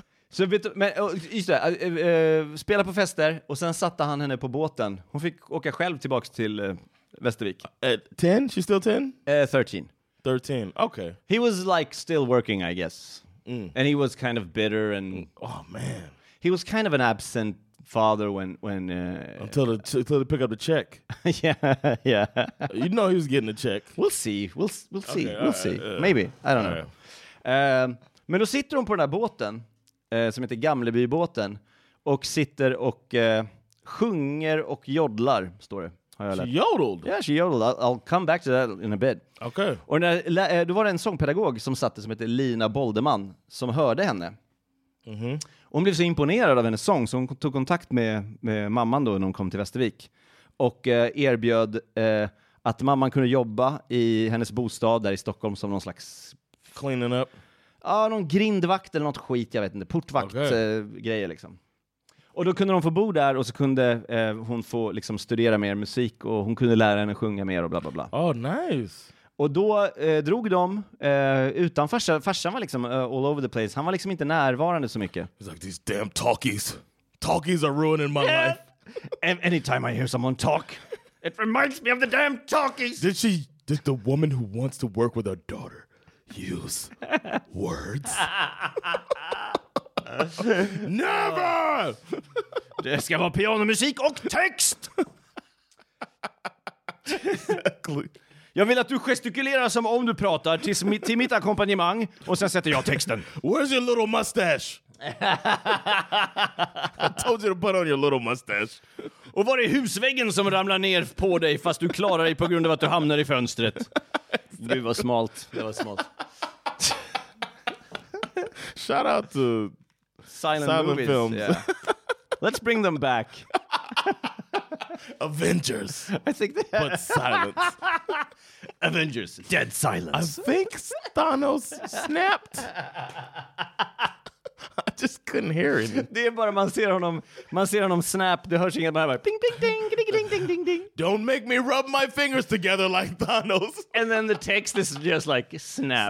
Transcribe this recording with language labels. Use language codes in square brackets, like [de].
[sv] så vet du, men, just det, spela på fester och sen satte han henne på båten. Hon fick åka själv tillbaka till Västervik. [en] 10? She's still 10? 13. 13, okay. He was like still working, I guess. Mm. And he was kind of bitter and... Oh, man. He was kind of an absent father when until they pick up the check. Yeah, yeah. You know he was getting a check. We'll see. Okay, we'll see. Right, maybe. I don't know. Right. [sv] Men då sitter hon på den här båten som heter Gamlebybåten och sitter och sjunger och jodlar, står det. Har jag lärt. [en] She jodled? Yeah, she jodled. I'll come back to that in a bit. Okay. [sv] Och när, då var det en sångpedagog som satte som heter Lina Boldeman som hörde henne. Mm-hmm. Hon blev så imponerad av hennes sång så hon tog kontakt med mamman då när hon kom till Västervik. Och erbjöd att mamman kunde jobba i hennes bostad där i Stockholm som någon slags... [en] Cleaning up? [sv] Ja, någon grindvakt eller något skit, jag vet inte. Portvaktgrejer okay. Liksom. Och då kunde de få bo där och så kunde hon få liksom, studera mer musik och hon kunde lära henne sjunga mer och bla bla bla. [en] Oh, nice! [sv] Och då drog de utan farsan. Farsan var liksom [en] all over the place. [sv] Han var liksom inte närvarande så mycket. [en] He's like, these damn talkies. Talkies are ruining my life. Anytime I hear someone talk, it reminds me of the damn talkies. Did the woman who wants to work with her daughter use words? Never! [sv] Det ska vara pianomusik och text! [en] Exactly. [sv] Jag vill att du gestikulerar som om du pratar till mitt ackompanjemang och sen sätter jag texten. [en] Where's your little mustache? I told you to put on your little mustache. [sv] Och var är husväggen som ramlar ner på dig fast du klarar dig på grund av att du hamnar i fönstret? Det var smalt. Det var smalt. [en] Shout out to Silent movies. Films. Yeah. Let's bring them back. Avengers. I think they but silence. Avengers, dead silence. I think Thanos snapped. I just couldn't hear it. [sv] Det är bara man ser honom snap. Det hörs inget bara. Ping ping ding ding ding ding ding ding. [en] Don't make me rub my fingers together like Thanos. And then the text is just like snap.